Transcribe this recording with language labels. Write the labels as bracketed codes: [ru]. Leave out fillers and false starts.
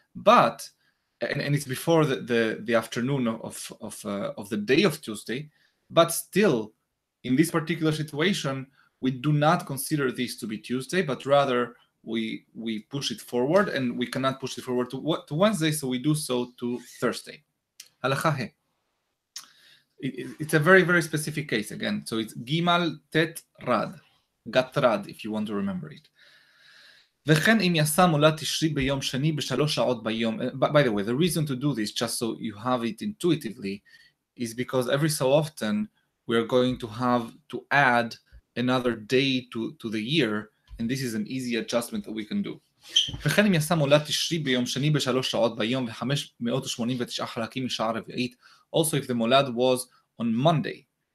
[en] But, and it's before the afternoon of the day of Tuesday, but still, in this particular situation, we do not consider this to be Tuesday, but rather we push it forward, and we cannot push it forward to Wednesday, so we do so to Thursday. Halakha he. It's a very, very specific case again. So it's Gimal Tet Rad, Gatrad, if you want to remember it. [he] וכן אם יעשה מולד תשרי ביום שני בשלוש שעות ביום. [en] By the way, the reason to do this, just so you have it intuitively, is because every so often, we are going to have to add another day to the year, and this is an easy adjustment that we can do. [he] וכן אם יעשה מולד תשרי ביום שני בשלוש שעות ביום וחמש מאות ושמונים ותשעה חלקים משעה רביעית. [en] Also, if the molad was on Monday,